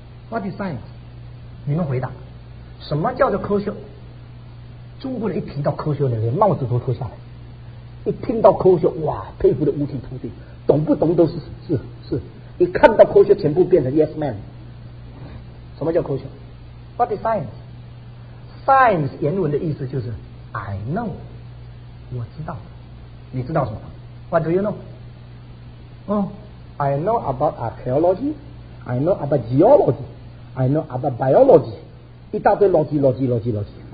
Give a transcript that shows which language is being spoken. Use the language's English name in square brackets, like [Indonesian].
[English] What is science？ [Chinese] 你们回答，什么叫做科学？中国人一提到科学，连帽子都脱下来。一听到科学，哇，佩服的五体投地，懂不懂都是是是。一看到科学，全部变成 yes man。什么叫科学 ？ What is science？ Science 原文的意思就是 I know，我知道。你知道什么 ？ What do you know？ [English] I know about archaeology， I know about geology， I know about biology，一大堆逻辑逻辑逻辑逻辑。